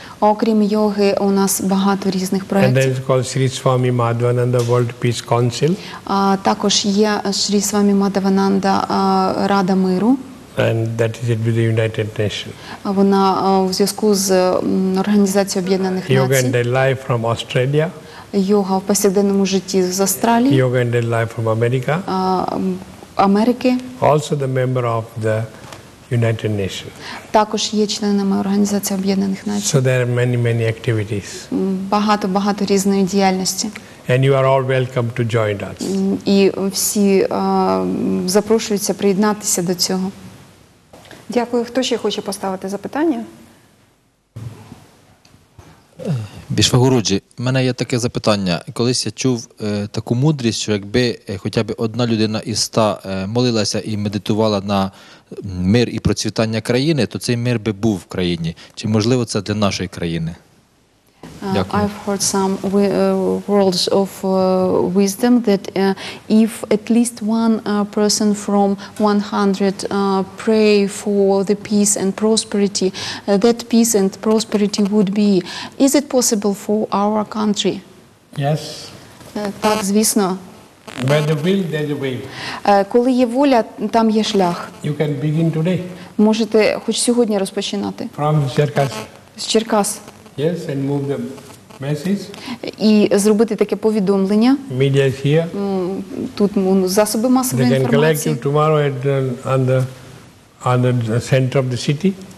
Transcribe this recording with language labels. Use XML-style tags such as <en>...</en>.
<uk>Окрім йоги, у нас багато різних проєктів.</uk> <en>And then it's called Sri Swami Madhavananda World Peace Council.</en> <uk>Також є Шрі Свамі Мадхавананда Рада Миру.</uk> <en>And that is it with the United Nations.</en> <uk>Вона у зв'язку з Організацією Об'єднаних Націй.</uk> <en>Yoga and Daily Life from Australia.</en> <uk>Йога в повсякденному житті з Австралії.</uk> <en>Yoga and Daily Life from America.</en> <uk>Америки.</uk> <en>Also the member of the United Nations.</en> <uk>Також є членами Організації Об'єднаних Націй.</uk> <en>So there are many, many activities.</en> <uk>Багато-багато різної діяльності.</uk> <en>And you are all welcome to join us.</en> <uk>І всі запрошуються приєднатися до цього. Дякую. Хто ще хоче поставити запитання? Бішвагуруджі, у мене є таке запитання. Колись я чув таку мудрість, що якби хоча б одна людина із ста молилася і медитувала на мир і процвітання країни, то цей мир би був в країні. Чи можливо це для нашої країни? Дякую.</uk> <en>I've heard some words of wisdom that if at least one person from 100 pray for the peace and prosperity, that peace and prosperity would be. Is it possible for our country? Yes.</en> <uk>Так, звісно.</uk> <en>Where the will, there the way.</en> <uk>Коли є воля, там є шлях.</uk> <en>You can begin today.</en> <uk>Можете хоч сьогодні розпочинати.</uk> <en>From Черкас.</en> <uk>З Черкас.</uk> <en>Yes, and move the message.</en> <uk>І зробити таке повідомлення.</uk> <en>Media is here.</en> <uk>Тут засоби масової</uk> <en>They</en> <uk>інформації.</uk> <en>They can collect you tomorrow at on the center of the city.</en>